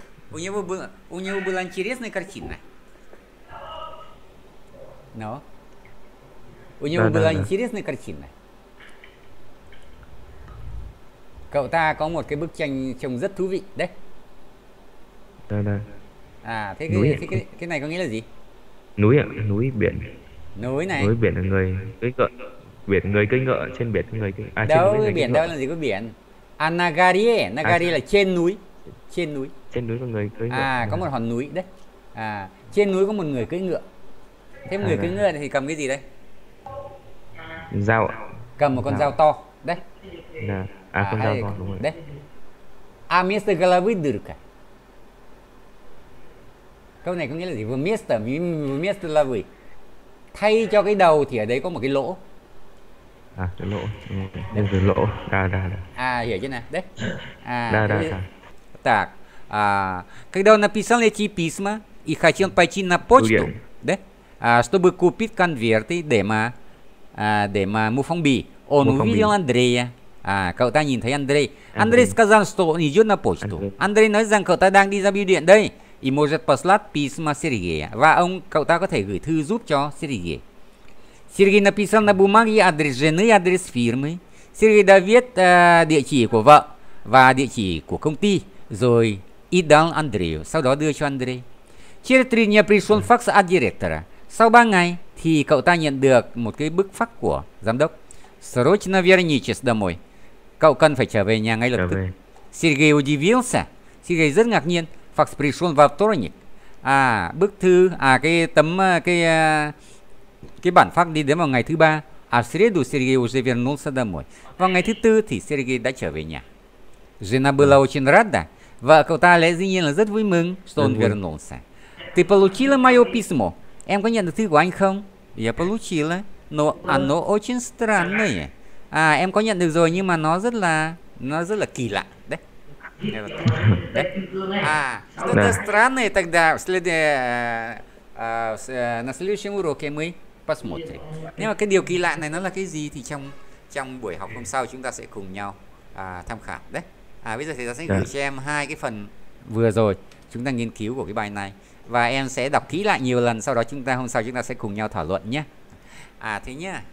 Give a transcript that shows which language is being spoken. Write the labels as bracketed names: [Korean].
[Russian] У него была интересная картина. Но? У него была интересная картина. [Vietnamese] Cậu ta có một cái bức tranh trông rất thú vị, đấy. Đó, đó. À, thế cái này có nghĩa là gì? Núi ạ, núi biển. Núi này. Núi biển là người cưỡi ngựa. Biển người cưỡi ngựa, trên biển người cưỡi ngựa. Đâu, biển đâu là gì có biển. À, Nagarie. Nagarie là trên núi. Trên núi. Trên núi có người cưỡi ngựa. À, có một hòn núi đấy. À, trên núi có một người cưỡi ngựa. Thế người cưỡi ngựa thì cầm cái gì đây? Dao ạ. Cầm một con dao to, đấy. Dạ. À, con dao to, đúng rồi. [Russian] Đấy. À, вместо головы дырка. [Vietnamese] Câu này có nghĩa là gì? [Russian] Вместо головы. [Vietnamese] Thay cho cái đầu thì ở đấy có một cái lỗ. À, cái lỗ. Đúng rồi, lỗ. Đà. À, hiểu chưa nè? Đấy. À, đà. [Russian] Так. А, когда он написал эти письма и хотел пойти на почту, да? А, чтобы купить конверты, [Vietnamese] để mà mua phong bì. [Russian] Он увидел Андрея. [Vietnamese] À, cậu ta nhìn thấy Андрей. [Russian] Андрей сказал, что он идёт на почту. [Vietnamese] Андрей nói rằng cậu ta đang đi ra bưu điện đây. [Russian] И может послать письма Сергея. [Vietnamese] Và ông cậu ta có thể gửi thư giúp cho Сергея. [Russian] Сергей написал на бумаге адрес жены, адрес фирмы. [Vietnamese] Сергей đã viết địa chỉ của vợ và địa chỉ của công ty, rồi [Russian] и дал Андрею. [Vietnamese] Sau đó đưa cho Андрей. [Russian] Через три дня пришёл факс от директора. [Vietnamese] Sau 3 ngày thì cậu ta nhận được một cái bức fax của giám đốc. [Russian] Срочно верничись домой. [Vietnamese] Cậu cần phải trở về nhà ngay lập tức. [Russian] Сергей удивился. [Vietnamese] Сергей rất ngạc nhiên. [Russian] Факс пришёл во вторник. [Vietnamese] À, bức thư, à cái tấm cái bản fax đi đến vào ngày thứ 3. [Russian] À, в среду Сергей уже вернулся домой. [Vietnamese] Vào ngày thứ 4 thì Сергей đã trở về nhà. [Russian] Жена была очень рада. [Vietnamese] Vợ cậu ta lẽ dĩ nhiên là rất vui mừng, [Russian] что он вернулся. Ты получила моё письмо? [Vietnamese] Em có nhận được thư của anh không? [Russian] Я получила, но оно очень странное. [Vietnamese] À, em có nhận được rồi nhưng mà nó rất là kỳ lạ. [Russian] Đấy. Đấy. А, это странное тогда. На следующем уроке мы посмотрим. [Vietnamese] Nhưng mà cái điều kỳ lạ này nó là cái gì thì trong buổi học hôm sau chúng ta sẽ cùng nhau tham khảo. Đấy. À, bây giờ thầy giáo sẽ gửi cho em hai cái phần vừa rồi chúng ta nghiên cứu của cái bài này. Và em sẽ đọc kỹ lại nhiều lần, sau đó hôm sau chúng ta sẽ cùng nhau thảo luận nhé. À, thế nhá.